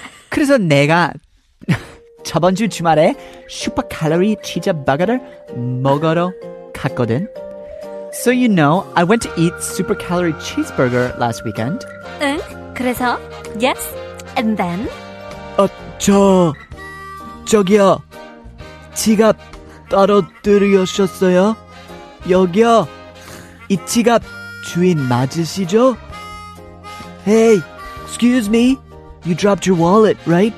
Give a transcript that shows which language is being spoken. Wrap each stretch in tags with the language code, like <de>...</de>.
<ko>그래서 내가 저번 주 주말에 슈퍼 칼로리 치즈 버거를 먹으러 갔거든.</ko> <en>So you know, I went to eat super calorie cheeseburger last weekend.</en> <ko>응, 그래서?</ko> <en>Yes, and then?</en> <ko>저기요, 지갑 떨어뜨리셨어요? 여기요, 이 지갑 주인 맞으시죠?</ko> <en>Hey, excuse me, you dropped your wallet, right?</en>